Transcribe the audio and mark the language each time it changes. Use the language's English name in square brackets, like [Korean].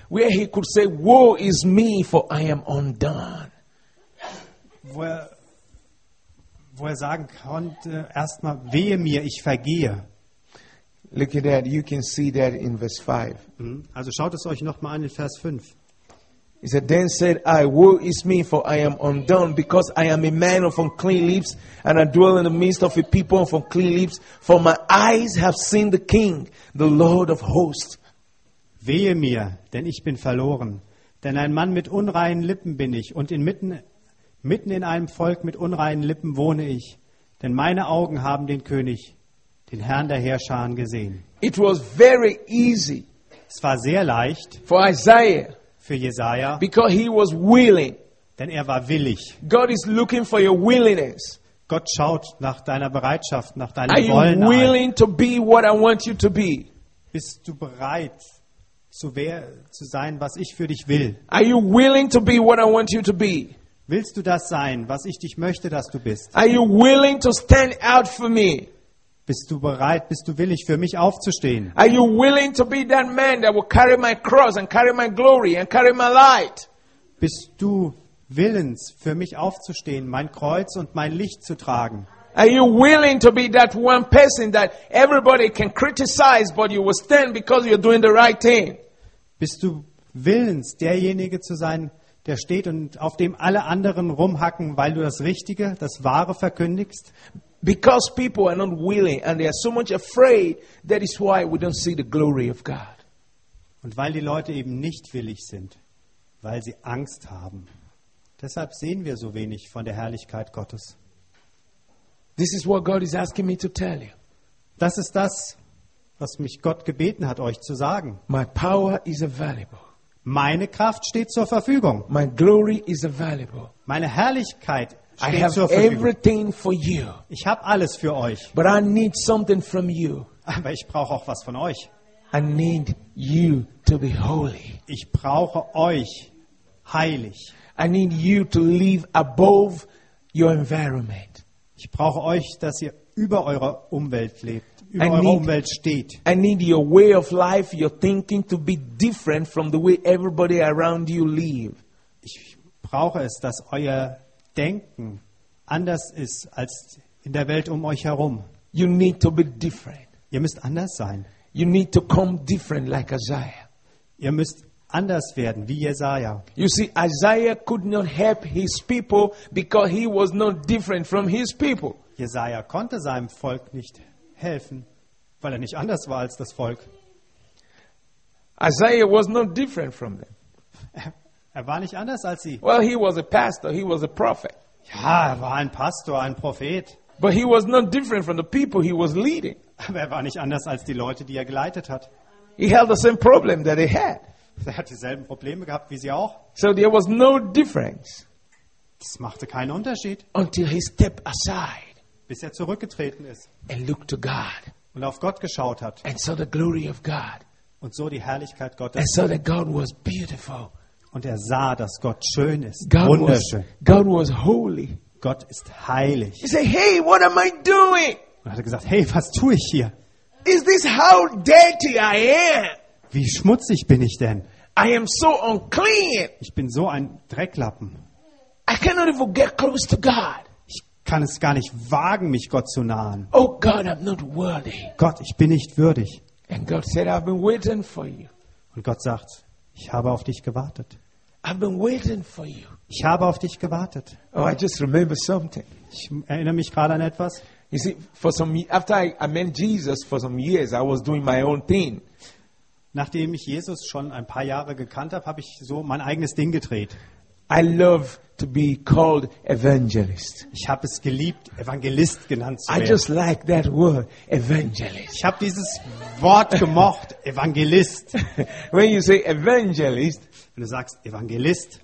[English] Where he could say, woe is me, for I am undone. [German] Wo er sagen konnte, erstmal, wehe mir, ich vergehe. [English] Look at that, you can see that in verse 5. [German] Also schaut es euch nochmal an in Vers 5. [English] He said, then said I, woe is me, for I am undone, because I am a man of unclean lips, and I dwell in the midst of a people of unclean lips, for my eyes have seen the King, the Lord of hosts. [German] Wehe mir, denn ich bin verloren, denn ein Mann mit unreinen Lippen bin ich, und mitten in einem Volk mit unreinen Lippen wohne ich, denn meine Augen haben den König, den Herrn der Heerscharen gesehen. [English] It was very easy. [German] Es war sehr leicht. [English] For Isaiah. [German] Für Jesaja. [English] Because he was willing. [German] Denn er war willig. [English] God is looking for your willingness. [German] Gott schaut nach deiner Bereitschaft, nach deinem Wollen. [English] Are you willing to be what I want you to be? [German] Bist du bereit zu sein, was ich für dich will? [English] Are you willing to be what I want you to be? [German] Willst du das sein, was ich dich möchte, dass du bist? [English] Are you willing to stand out for me? [German] Bist du bereit, bist du willig, für mich aufzustehen? [English] Are you willing to be that man that will carry my cross and carry my glory and carry my light? [German] Bist du willens, für mich aufzustehen, mein Kreuz und mein Licht zu tragen? [English] Are you willing to be that one person that everybody can criticize, but you will stand because you're doing the right thing? [German] Bist du willens, derjenige zu sein, der steht und auf dem alle anderen rumhacken, weil du das Richtige, das Wahre verkündigst? [English] Because people are not willing and they are so much afraid, that is why we don't see the glory of God. [German] Und weil die Leute eben nicht willig sind, weil sie Angst haben, deshalb sehen wir so wenig von der Herrlichkeit Gottes. [English] This is what God is asking me to tell you. [German] Das ist das, was mich Gott gebeten hat, euch zu sagen. [English] My power is available. [German] Meine Kraft steht zur Verfügung. [English] My glory is available. [German] Meine Herrlichkeit steht zur Verfügung. [English] I have everything for you. [German] Ich habe alles für euch. [English] But I need something from you. [German] Aber ich brauche auch was von euch. [English] I need you to be holy. [German] Ich brauche euch heilig. [English] I need you to live above your environment. [German] Ich brauche euch, dass ihr über eurer Umwelt lebt. Umwelt steht. [English] I need your way of life, your thinking to be different from the way everybody around you live. [German] Ich brauche es, dass euer Denken anders ist als in der Welt um euch herum. [English] You need to be different. [German] Ihr müsst anders sein. [English] You need to come different like Isaiah. [German] Ihr müsst anders werden wie Jesaja. [English] You see, Isaiah could not help his people because he was not different from his people. [German] Jesaja konnte seinem Volk nicht helfen, weil er nicht anders war als das Volk. [English] Isaiah was not different from them. [German] Er war nicht anders als sie. [English] Well, he was a pastor, he was a prophet. [German] Ja, er war ein Pastor, ein Prophet. [English] But he was not different from the people he was leading. [German] Aber er war nicht anders als die Leute, die er geleitet hat. [English] He had the same problem that they had. [German] Er hat dieselben Probleme gehabt wie sie auch. [English] So there was no difference. [German] Das machte keinen Unterschied. [English] Until he stepped aside. [German] Bis er zurückgetreten ist [English] and looked to God. [German] Und auf Gott geschaut hat [English] and saw the glory of God. [German] Und so die Herrlichkeit Gottes [English] and saw that God was beautiful. [German] Und er sah, dass Gott schön ist, wunderschön. [English] God was holy. [German] Gott ist heilig. [English] He said, hey, what am I doing? [German] Und er hat gesagt, hey, was tue ich hier? [English] Is this how dirty I am? [German] Wie schmutzig bin ich denn? [English] I am so unclean. [German] Ich bin so ein Drecklappen. [English] I cannot even get close to God. [German] Ich kann es gar nicht wagen, mich Gott zu nahen. [English] Oh God, I'm not worthy. [German] Gott, ich bin nicht würdig. [English] And God said, I've been waiting for you. [German] Und Gott sagt, ich habe auf dich gewartet. [English] I've been waiting for you. [German] Ich habe auf dich gewartet. [English] Oh, I just remember something. [German] Ich erinnere mich gerade an etwas. [English] You see, for some after I met Jesus for some years, I was doing my own thing. [German] Nachdem ich Jesus schon ein paar Jahre gekannt habe, habe ich so mein eigenes Ding gedreht. [English] I love to be called evangelist. [German] Ich habe es geliebt, Evangelist genannt zu werden. [English] I just like that word, evangelist. [German] Ich habe dieses Wort gemocht, Evangelist. [English] When you say evangelist, [German] wenn du sagst Evangelist,